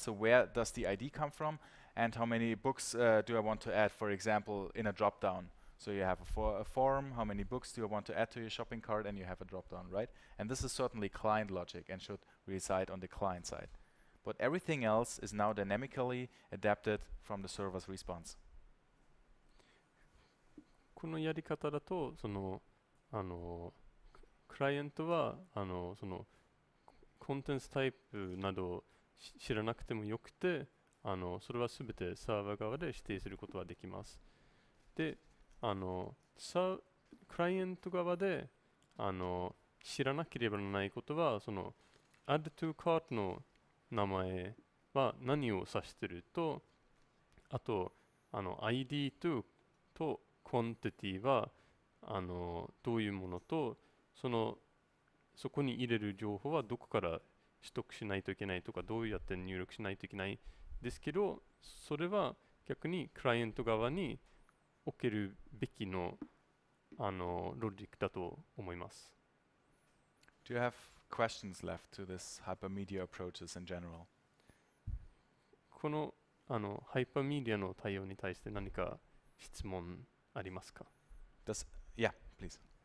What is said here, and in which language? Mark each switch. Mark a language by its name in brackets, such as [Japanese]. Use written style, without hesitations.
[English] So where does the ID come from? And how many books do I want to add, for example, in a dropdown? So you have a form, how many books do I want to add to your shopping cart, and you have a dropdown, right? And this is certainly client logic and should reside on the client side. But everything else is now dynamically adapted from the server's response. [Japanese] このやり方だと、その、あの、クライアントは、あの、その、コンテンツタイプなど知らなくてもよくて、あの、それはすべてサーバー側で指定することができます。で、あの、クライアント側で、あの、知らなければならないことは、その、 add to cart の名前は何を指していると、あと、あの、ID と quantity は、あの、どういうものと、その、そこに入れる情報はどこから取得しないといけないとか、どうやって入力しないといけないですけど、それは逆にクライアント側に置けるべきの、あの、ロジックだと思います。 [English] Do you have questions left to this hypermedia approaches in general? [Japanese] この、あの、hypermedia の対応に対して何か質問ありますか? [English] Does, yeah, please.